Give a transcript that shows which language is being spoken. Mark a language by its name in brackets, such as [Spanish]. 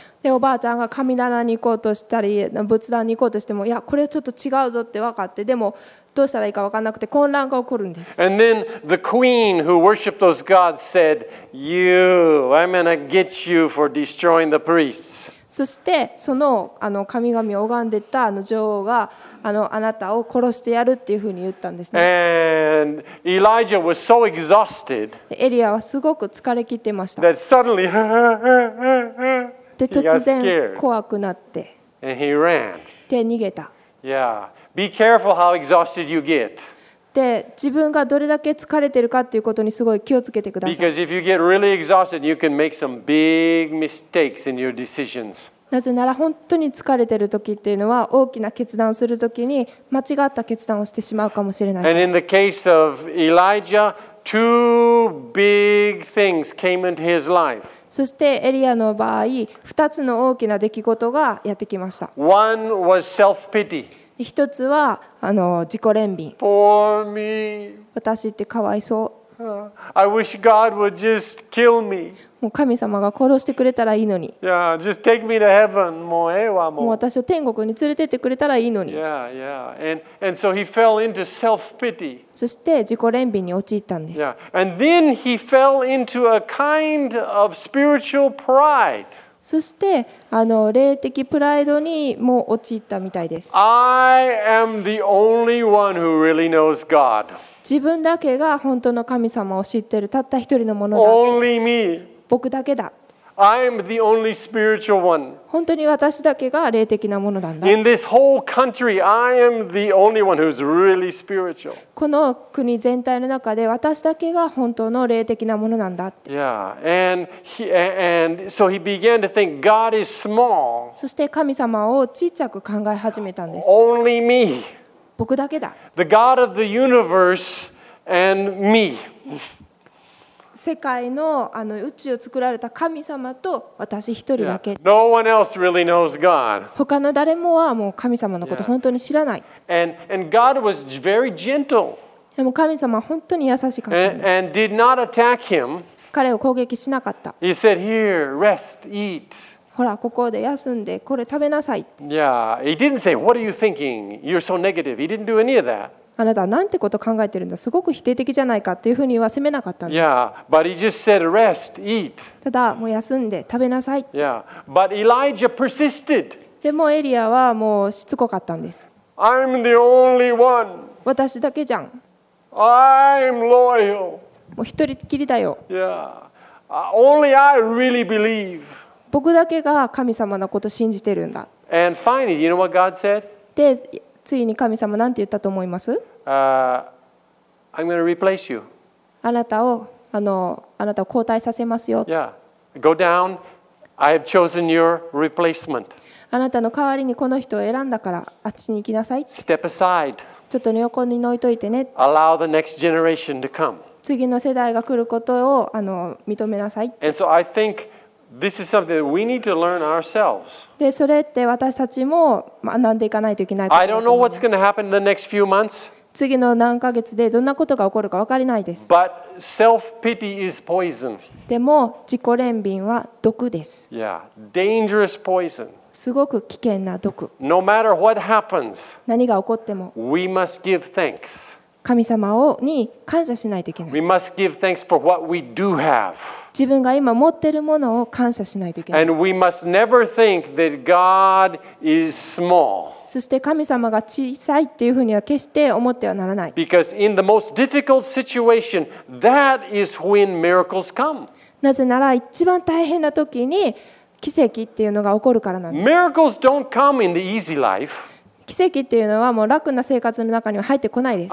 [Japanese] でおばあちゃんが神棚に行こうとしたり仏壇に行こうとしても、いやこれちょっと違うぞって分かって、でもどうしたらいいか分からなくて混乱が起こるんです。 [English] And then the queen who worshipped those gods said, you, I'm gonna get you for destroying the priests. [Japanese] そしてその神々を拝んでた女王があなたを殺してやるっていうふうに言ったんですね。 [English] And Elijah was so exhausted, [Japanese] エリアはすごく疲れ切ってました。 [English] That suddenly, ha, ha, ha, ha, ha. [Japanese] で突然怖くなって、 [English] And he ran. [Japanese] で逃げた。 [English] Yeah. Be careful how exhausted you get. [Japanese] で自分がどれだけ疲れてるかっていうことにすごい気をつけてください。 [English] Because if you get really exhausted, you can make some big mistakes in your decisions. [Japanese] なぜなら本当に疲れている時っていうのは大きな決断をする時に間違った決断をしてしまうかもしれない。 [English] And in the case of Elijah, two big things came into his life. [Japanese] そしてエリアの場合、二つの大きな出来事がやってきました。 [English] One was self-pity. [Japanese] 一つは自己憐憫。 [English] Poor me. [Japanese] 私ってかわいそう。 [English] I wish God would just kill me. [Japanese] もう神様が殺してくれたらいいのに。 [English] Yeah, just take me to heaven. [Japanese] もうええわもう。もう私を天国に連れてってくれたらいいのに。 [English] Yeah, yeah. And so he fell into self-pity. [Japanese] そして自己憐憫に陥ったんです。 [English] Yeah. And then he fell into a kind of spiritual pride. [Japanese] そして霊的プライドにも陥ったみたいです。 [English] I am the only one who really knows God. [Japanese] 自分だけが本当の神様を知っているたった一人のものだ。 [English] Only me. [Japanese] 僕だけだ。 [English] I'm the only spiritual one. [Japanese] 本当に私だけが霊的なものなんだ。 [English] In this whole country, I am the only one who's really spiritual. [Japanese] この国全体の中で私だけが本当の霊的なものなんだって。 [English] Yeah, and so he began to think God is small. [Japanese] そして神様を小さく考え始めたんです。 [English] Only me. [Japanese] 僕だけだ。 [English] The God of the universe and me. [Japanese] 世界の宇宙を作られた神様と私一人だけ。 [English] Yeah. No one else really knows God. [Japanese] 他の誰もはもう神様のこと本当に知らない。 [English] Yeah. And God was very gentle. [Japanese] でも神様は本当に優しかったんです。 [English] And did not attack him. [Japanese] 彼を攻撃しなかった。 [English] He said, "Here, rest, eat." [Japanese] ほらここで休んでこれ食べなさい。 [English] Yeah, he didn't say, "What are you thinking? You're so negative." He didn't do any of that. [Japanese] あなたはなんてこと考えてるんだ。すごく否定的じゃないかっていうふうには責めなかったんです。 [English] Yeah, but he just said, "Rest, eat." [Japanese] ただもう休んで食べなさい。 [English] Yeah, but Elijah persisted. [Japanese] でもエリアはもうしつこかったんです。 [English] I'm the only one. [Japanese] 私だけじゃん。 [English] I'm loyal. [Japanese] もう一人きりだよ。 [English] Yeah, only I really believe. [Japanese] 僕だけが神様のことを信じてるんだ。 [English] And finally, you know what God said? [Japanese] で、ついに神様なんて言ったと思います？ [English] I'm going to replace you. [Japanese] あなたを交代させますよ。 [English] Yeah. Go down. I have chosen your replacement. [Japanese] あなたの代わりにこの人を選んだからあっちに行きなさい。 [English] Step aside. [Japanese] ちょっと横に置いといてね。 [English] Allow the next generation to come. [Japanese] 次の世代が来ることを認めなさい。 [English] And so I think. This is something that we need to learn ourselves. [Japanese] で、それって私たちも学んでいかないといけないことです。 [English] I don't know what's going to happen in the next few months. [Japanese] 次の何ヶ月でどんなことが起こるか分かりないです。 [English] But self-pity is poison. [Japanese] でも自己憐憫は毒です。 [English] Yeah, dangerous poison. [Japanese] すごく危険な毒。 [English] No matter what happens, [Japanese] 何が起こっても、 [English] we must give thanks. [Japanese] 神様に感謝しないといけない。 [English] We must give thanks for what we do have. [Japanese] 自分が今持っているものを感謝しないといけない。 [English] And we must never think that God is small. [Japanese] そして神様が小さいっていうふうには決して思ってはならない。 [English] Because in the most difficult situation, that is when miracles come. [Japanese] なぜなら一番大変な時に奇跡っていうのが起こるからなんです。 [English] Miracles don't come in the easy life. [Japanese] 奇跡っていうのはもう楽な生活の中には入ってこないです。